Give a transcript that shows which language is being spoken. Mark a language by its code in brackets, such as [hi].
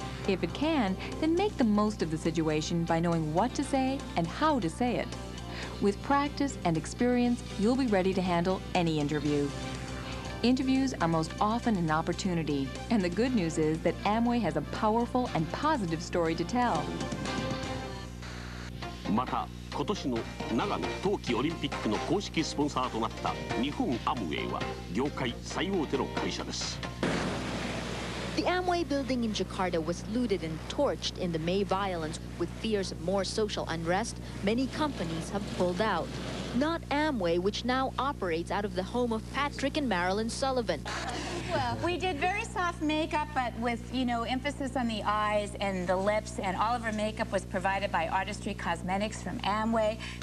[en] If it can, then make the most of the situation by knowing what to say and how to say it. With practice and experience, you'll be ready to handle any interview. Interviews are most often an opportunity, and the good news is that Amway has a powerful and positive story to tell. [ja] また、今年の長野冬季オリンピックの公式スポンサーとなった日本アムウェイは業界最大手の会社です。 [en] The Amway building in Jakarta was looted and torched in the May violence. With fears of more social unrest, many companies have pulled out. Not Amway, which now operates out of the home of Patrick and Marilyn Sullivan. Well, we did very soft makeup, but with, you know, emphasis on the eyes and the lips, and all of our makeup was provided by Artistry Cosmetics from Amway.